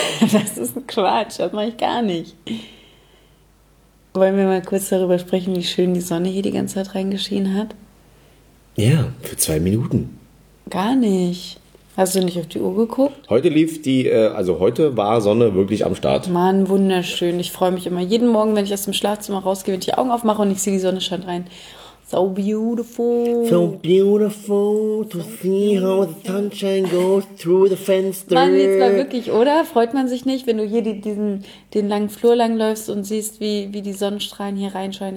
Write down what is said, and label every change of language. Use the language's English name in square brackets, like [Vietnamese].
[German] Das ist ein Quatsch, das mache ich gar nicht. Wollen wir mal kurz darüber sprechen, wie schön die Sonne hier die ganze Zeit reingeschienen hat? Ja, für 2 Minuten. Gar nicht. Hast du nicht auf die Uhr geguckt? Heute war Sonne wirklich am Start. Mann, wunderschön. Ich freue mich immer jeden Morgen, wenn ich aus dem Schlafzimmer rausgehe, wenn ich die Augen aufmache und ich sehe, die Sonne scheint rein. [English] So beautiful. So beautiful to see how the sunshine goes through the fenster. [German] Mann, jetzt mal wirklich, oder? Freut man sich nicht, wenn du hier den langen Flur langläufst und siehst, wie die Sonnenstrahlen hier reinscheinen?